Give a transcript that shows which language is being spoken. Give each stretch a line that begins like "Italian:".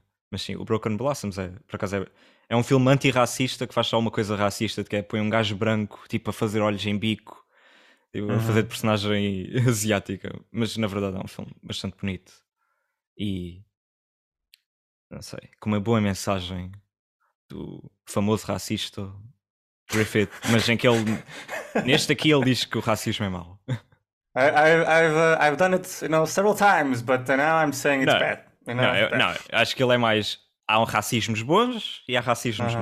Portuguese: Mas sim, o Broken Blossoms é, por acaso, é um filme antirracista que faz só uma coisa racista, que é põe um gajo branco tipo a fazer olhos em bico, tipo, a fazer de personagem asiática. Mas na verdade é um filme bastante bonito. E não sei, com uma boa mensagem do famoso racista Griffith, mas em que ele, neste aqui, ele diz que o racismo é mau.
English: I've done it, you know, several times, but now I'm saying it's
Portuguese: não,
English: bad.
Portuguese: Não, acho que ele é mais, há um racismos bons e há racismos uh-huh.